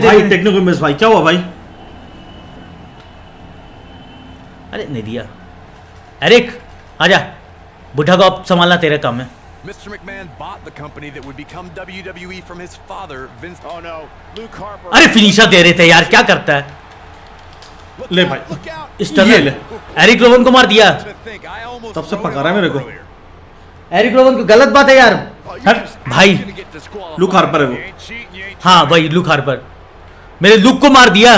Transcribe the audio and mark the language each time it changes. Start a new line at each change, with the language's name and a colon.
Hindi: भाई, टेक्नो को मिस भाई, क्या हुआ भाई, अरे नहीं दिया। एरिक आजा, बुढ़ा को अब संभालना तेरे काम है,
English: Mr. McMahon bought the company that would become WWE from his father, Vince. Oh no, Luke Harper.
Hindi: अरे फिनिशर दे रहे थे यार, क्या करता है? ले भाई, इस तरह ले। एरिक रोवन को मार दिया। तब से पका रहा है मेरे को। एरिक रोवन को गलत बात है यार। हर भाई, लुक हार्पर है वो। हाँ भाई, लुक हार्पर। मेरे लुक को मार दिया।